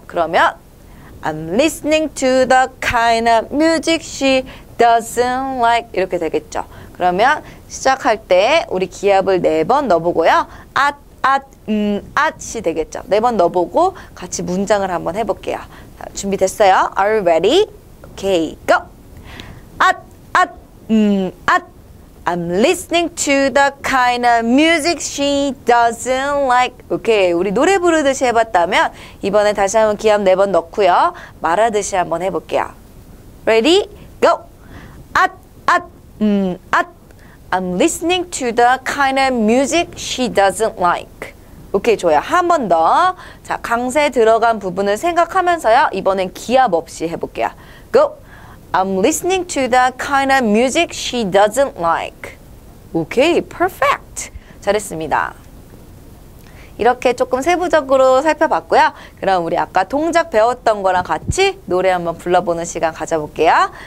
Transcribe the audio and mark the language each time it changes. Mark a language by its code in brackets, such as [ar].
[ko] 그러면 [en] I'm listening to the kind of music she doesn't like. [ko] 이렇게 되겠죠. 그러면 시작할 때 우리 기합을 네번 넣어보고요. 앗, 앗, 앗이 되겠죠. 네번 넣어보고 같이 문장을 한번 해볼게요. 자, 준비됐어요? [en] Are you ready? Okay, go! [ko] 앗, 앗, 앗. [en] I'm listening to the kind of music she doesn't like. [ko] 오케이, 우리 노래 부르듯이 해봤다면 이번에 다시 한번 기합 네번 넣고요. 말하듯이 한번 해볼게요. [en] Ready? Go! 앗, 앗, 앗. I'm listening to the kind of music she doesn't like. [ko] 오케이, 좋아요. 한번 더. 자, 강세 들어간 부분을 생각하면서요. 이번엔 기합 없이 해볼게요. [en] Go! I'm listening to the kind of music she doesn't like. Okay, perfect. [ko] 잘했습니다. 이렇게 조금 세부적으로 살펴봤고요. 그럼 우리 아까 동작 배웠던 거랑 같이 노래 한번 불러보는 시간 가져볼게요.